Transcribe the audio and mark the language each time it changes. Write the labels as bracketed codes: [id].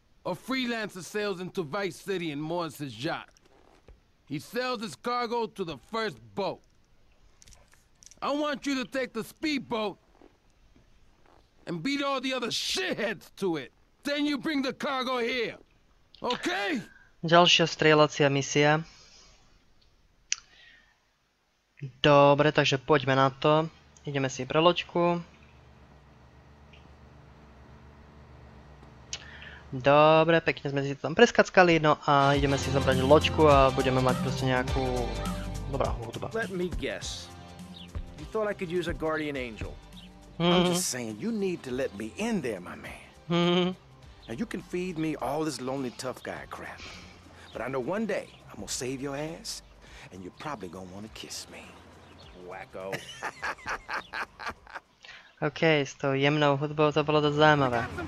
[en] A freelancer sails into Vice City and moors his yacht. He sells his cargo to the first boat. I want you to take the speedboat and beat all the other shitheads to it. Then you bring the cargo here. Okay? [sk] Ďalšia strieľacia misia. Dobre, takže poďme na to. Ideme si pre loďku. Dobre, pekne sme si tam preskackali, no a ideme si zabrať loďku a budeme mať proste nejakú dobrá hudba. [en] Let me guess. You thought I could use a guardian angel. I'm just saying, you need to let me in there, my man. Now you can feed me all this lonely tough guy crap. But I know one day I'm gonna save your ass and you're probably gonna want to kiss me. Wacko. [sk] Okay, s tou jemnou hudbou to bolo dosť zaujímavé.